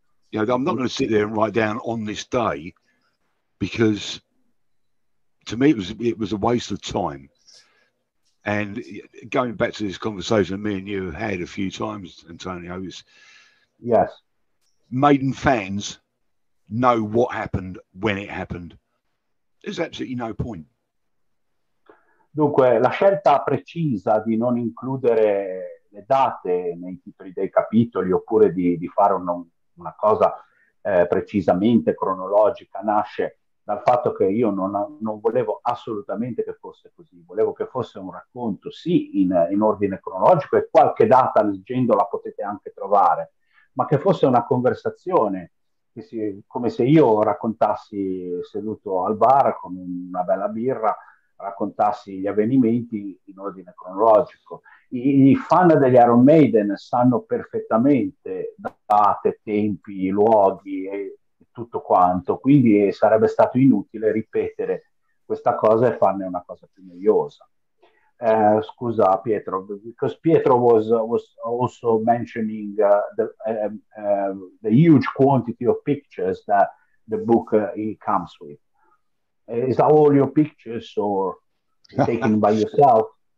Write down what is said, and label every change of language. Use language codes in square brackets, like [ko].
[en] You know, I'm not going to sit there and write down on this day, because to me it was a waste of time. And going back to this conversation me and you have had a few times, Antonio, is yes. Maiden fans know what happened, when it happened. There's absolutely no point. [it] Dunque, la scelta precisa di non includere le date nei titoli dei capitoli oppure di fare una cosa precisamente cronologica nasce dal fatto che io non volevo assolutamente che fosse così. Volevo che fosse un racconto, sì, in ordine cronologico, e qualche data leggendola potete anche trovare, ma che fosse una conversazione, come se io raccontassi seduto al bar con una bella birra, raccontassi gli avvenimenti in ordine cronologico. I fan degli Iron Maiden sanno perfettamente date, tempi, luoghi e tutto quanto, quindi sarebbe stato inutile ripetere questa cosa e farne una cosa più noiosa. Scusa [en] Pietro, because Pietro was also mentioning the huge quantity of pictures that the book it comes with. Is that all your pictures or taken by yourself?